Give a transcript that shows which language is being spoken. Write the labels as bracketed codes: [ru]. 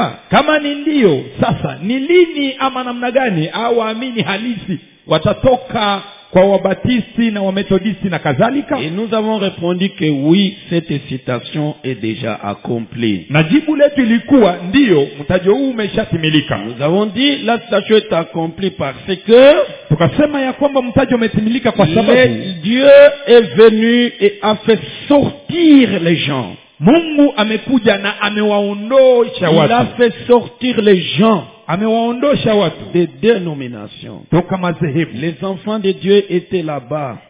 [sw] Kama ni ndio, sasa ni lini ama namna gani awaamini halisi watatoka kwa wabatisti na wamethodisti na kadhalika? [fr] Et nous avons répondu que oui, cette citation est déjà accomplie. [sw] Na jibu letu ilikuwa ndio, mtajo huu umeshatimilika. [fr] Nous avons dit la citation est accomplie parce que, [sw] tukasema ya kwamba mtajo umetimilika kwa sababu [fr] Dieu est venu et a fait sortir les gens. [sw] Mungu amekuja na amewaondosha watu. [fr] Il a fait sortir les gens. [sw] Amewaondosha watu. [fr] Des dénominations. [sw] Toka mazehebu. [fr] Les enfants de Dieu étaient là-bas.